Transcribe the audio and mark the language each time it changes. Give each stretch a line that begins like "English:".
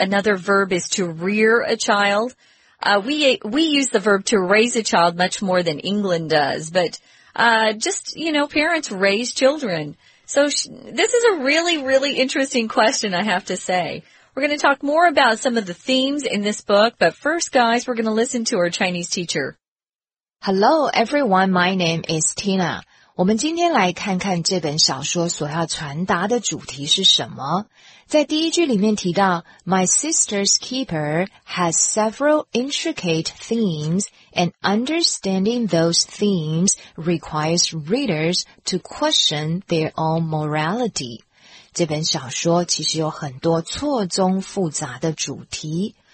English: Another verb is to rear a child. We use the verb to raise a child much more than England does, but just, you know, parents raise children. So this is a really, really interesting question, I have to say. We're going to talk more about some of the themes in this book, but first, guys, we're going to listen to our Chinese teacher. Hello, everyone. My name is Tina.
Chinese: 我们今天来看看这本小说所要传达的主题是什么。在第一句里面提到
English: My sister's keeper has several intricate themes and understanding those themes requires readers to question their own morality.
Chinese: 这本小说其实有很多错综复杂的主题。